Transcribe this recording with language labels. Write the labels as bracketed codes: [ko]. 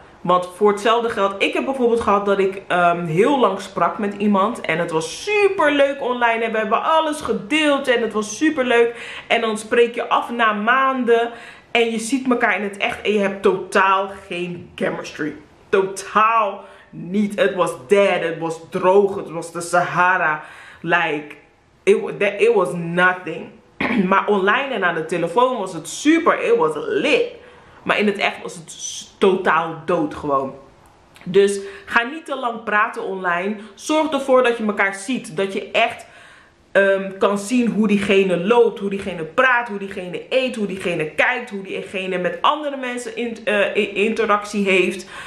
[nl] Want voor hetzelfde geld, ik heb bijvoorbeeld gehad dat ik heel lang sprak met iemand. En het was super leuk online. En we hebben alles gedeeld. En het was super leuk. En dan spreek je af na maanden. En je ziet elkaar in het echt. En je hebt totaal geen chemistry. Totaal niet. Het was dead. Het was droog. Het was de Sahara. [en] Like, it was nothing. [nl] Maar online en aan de telefoon was het super, [en] it was lit. [nl] Maar in het echt was het totaal dood gewoon. Dus ga niet te lang praten online. Zorg ervoor dat je elkaar ziet. Dat je echt kan zien hoe diegene loopt, hoe diegene praat, hoe diegene eet, hoe diegene kijkt, hoe diegene met andere mensen interactie heeft.